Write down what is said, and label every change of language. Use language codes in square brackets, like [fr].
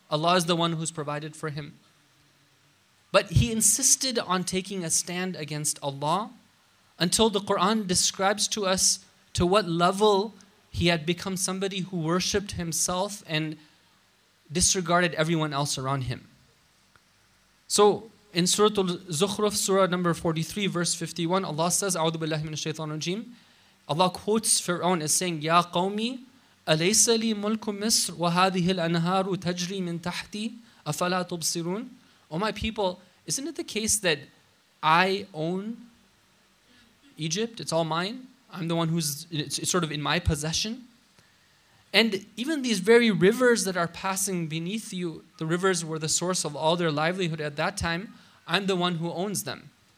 [en] Allah is the one who's provided for him. But he insisted on taking a stand against Allah until the Quran describes to us to what level he had become somebody who worshipped himself and disregarded everyone else around him. So in Surah Al-Zukhruf, Surah number 43, verse 51, Allah says, [ar] أعوذ بالله من الشيطان الرجيم. [en] Allah quotes Fir'aun as saying, [ar] يَا قَوْمِي أَلَيْسَ لِي مُلْكُ مِصْرُ وَهَذِهِ الْأَنْهَارُ تَجْرِي مِنْ تَحْتِي أَفَلَا تُبْصِرُونَ. [en] Oh my people, isn't it the case that I own Egypt? It's all mine. I'm the one who's sort of in my possession. And even these very rivers that are passing beneath you, the rivers were the source of all their livelihood at that time, I'm the one who owns them.